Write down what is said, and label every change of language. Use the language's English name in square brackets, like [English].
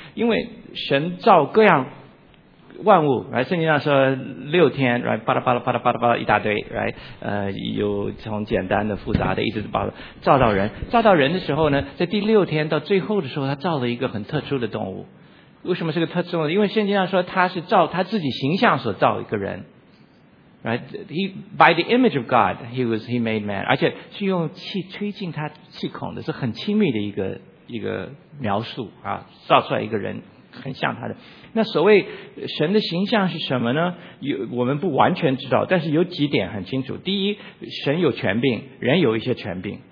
[Chinese] 因为神造各样万物，圣经上说六天，巴拉巴拉巴拉巴拉巴拉一大堆，有从简单的复杂的一直造到人。造到人的时候呢，在第六天到最后的时候，他造了一个很特殊的动物。为什么是个特殊的？因为圣经上说他是造他自己形象所造一个人。 [English] Right? He, by the image of God, he made man. [Chinese] 而且是用气吹进他气孔的，是很亲密的一个描述啊，造出来一个人很像他的。那所谓神的形象是什么呢？我们不完全知道，但是有几点很清楚。第一，神有权柄，人有一些权柄。